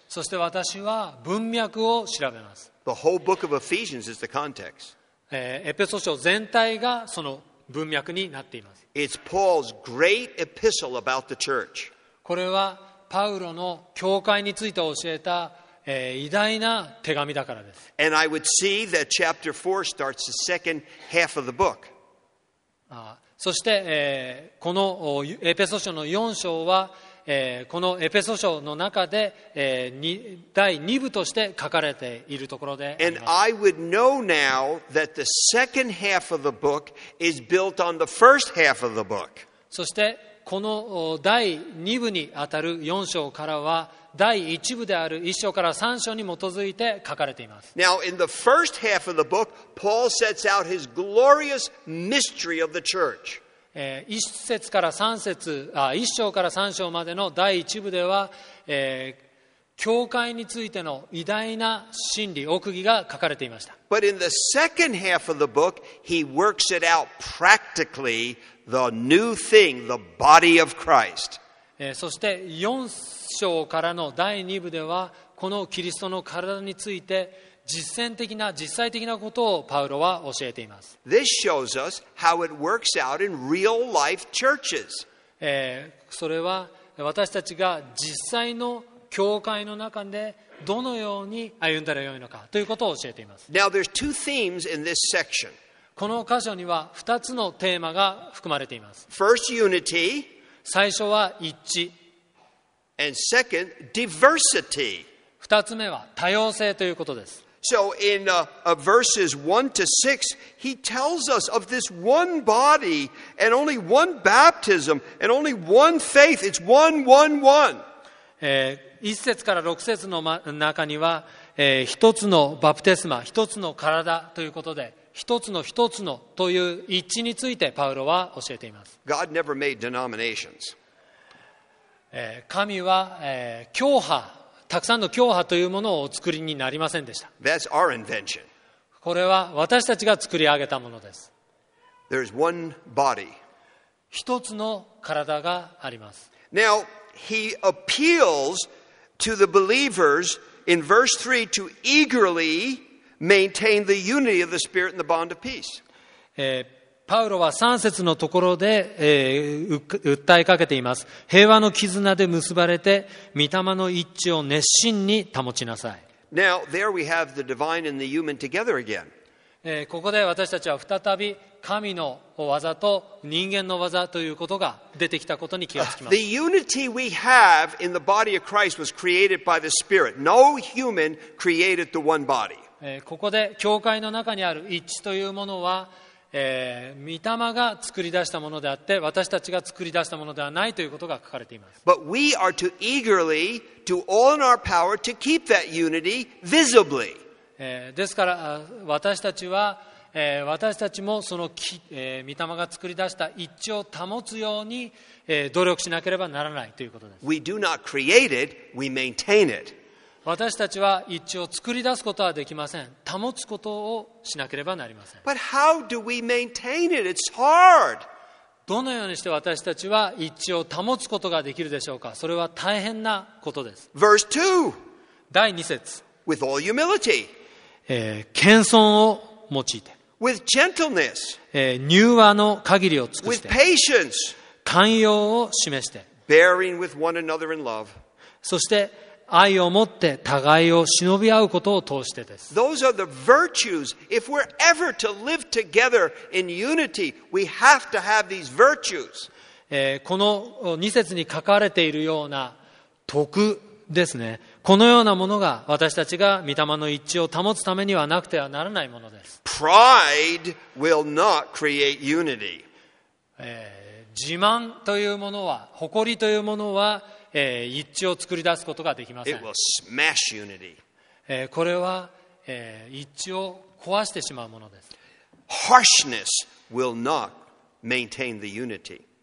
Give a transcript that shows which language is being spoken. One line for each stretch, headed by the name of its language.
Japanese: そして私は文脈を調べます。
English: The whole book of Ephesians is the context.
Japanese: エペソ書全体がその文脈になっています。
English: It's Paul's great epistle about the church.
Japanese: これはパウロの教会について教えた、偉大な手紙だからです。
English: And I would see that chapter 4 starts the second half of the book.
Japanese: そして、このエペソ書の4章は、このエペソ書の中で、第2部として書かれているところであります。
English: And I would know now that the second half of the book is built on the first half of the book.
Japanese: そしてこの第2部にあたる4章からは第1部である1章から3章に基づいて書かれています。
English: Now in the first half of the book, Paul sets out his glorious mystery of the church.
Japanese: 1章から3章までの第1部では、教会についての偉大な真理、奥義が書かれていました。
English: But in the second half of the book, he works it out practicallyThe new thing, the body of Christ.
Japanese: そして4章からの第2部ではこのキリストの体について実践的な実際的なことをパウロは教えています。
English: This shows us how it works out in real life churches.
Japanese: それは私たちが実際の教会の中でどのように歩んだらよいのかということを教えています。
English: Now there's two themes in this section.
Japanese: この箇所には2つのテーマが含まれています。
English: First, unity.
Japanese: 最初は一致。
English: And second, diversity.
Japanese: 2つ目は多様性ということです。
English: So in verses 1 to 6, he tells us of this one body and only one baptism and only one faith. It's one, one, one.
Japanese: 1節から6節の中には、一つのバプテスマ、一つの体ということで、一つの一つのという一致についてパウロは教えています。
English: God never made denominations.
Japanese: 神は、教派、たくさんの教派というものをお作りになりませんでした。
English: That's our invention.
Japanese: これは私たちが作り上げたものです。
English: There's one body.
Japanese: 一つの体があります。
English: Now, he appeals to the believers in verse 3 to eagerly maintain the unity of the Spirit and the bond of peace.
Japanese: パウロは3節のところで、訴えかけています。平和の絆で結ばれて、御霊の一致を熱心に保ちなさい。
English: Now, there we have the divine and the human together again.
Japanese: ここで私たちは再び神の技と人間の技ということが出てきたことに気がつきます。
English: The unity we have in the body of Christ was created by the Spirit. No human created the one body.
Japanese: ここで教会の中にある一致というものは、御霊が作り出したものであって、私たちが作り出したものではないということが書かれています。
English: But we are to eagerly do all in our power to keep that unity visibly.
Japanese: ですから私たちは、私たちもその、御霊が作り出した一致を保つように、努力しなければならないということです。
English: We do not create it, we maintain it.
Japanese: 私たちは一致を作り出すことはできません。保つことをしなければなりません。
English: But how do we maintain it? It's hard.
Japanese: どのようにして私たちは一致を保つことができるでしょうか。それは大変なことです。
English: Verse 2.
Japanese: 第2節。
English: With all humility.
Japanese: 謙遜を用いて。
English: With gentleness.
Japanese: 柔和の限りを尽くして。
English: With patience.
Japanese: 寛容を示して。
English: Bearing with one another in love.
Japanese: そして、愛を持って互いを忍び合うことを通してです。
English: Those are the virtues. If we're ever to live together in unity, we have to have these virtues.
Japanese: この2節に書かれているような徳ですね。このようなものが私たちが御霊の一致を保つためにはなくてはならないものです。
English: Pride will not create unity.
Japanese: 自慢というものは、誇りというものは、一致を作り出すことができません。
English: It will smash unity.
Japanese: これは、一致を壊してしまうものです。
English: Harshness will not maintain the unity.